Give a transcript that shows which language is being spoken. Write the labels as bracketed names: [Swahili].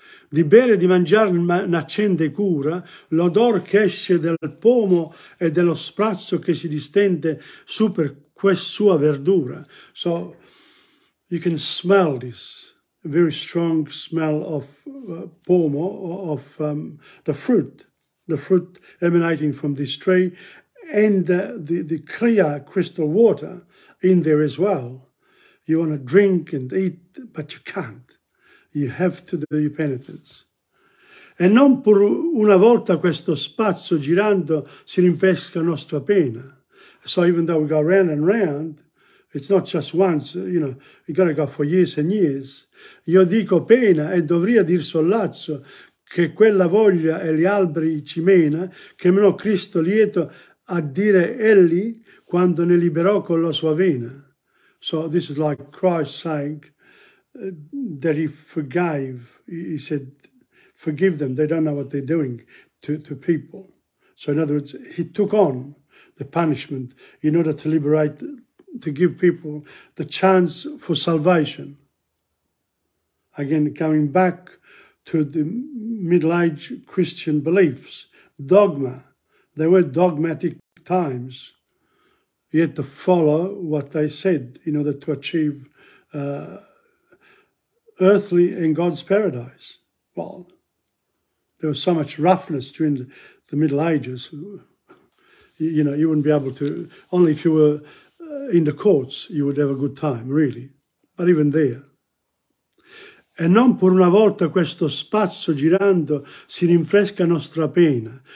[Italian] Di bere e di mangiare n'accende cura, l'odor che esce del pomo e dello sprazzo che si distende su per questa sua verdura. [English] So you can smell this very strong smell of pomo, of the fruit emanating from this tree, and the clear crystal water in there as well. You want to drink and eat, but you can't. You have to do your penitence. [Italian] E non pur una volta questo spazio girando si rinfresca nostra pena. [English] So even though we go round and round, it's not just once, you know, you gotta go for years and years. [Italian] Io dico pena e dovria dir sollazzo che quella voglia e gli alberi ci mena, che meno Cristo lieto a dire elli quando ne liberò con la sua vena. [English] So this is like Christ saying, that he forgave, he said, forgive them, they don't know what they're doing to people. So in other words, he took on the punishment in order to liberate, to give people the chance for salvation. Again, going back to the Middle Age Christian beliefs, dogma, they were dogmatic times, you had to follow what they said in order to achieve earthly and God's paradise. Well, there was so much roughness during the Middle Ages. You know, you wouldn't be able to, only if you were in the courts, you would have a good time, really. But even there. [Italian] E non pur una volta questo spazio girando si rinfresca nostra pena.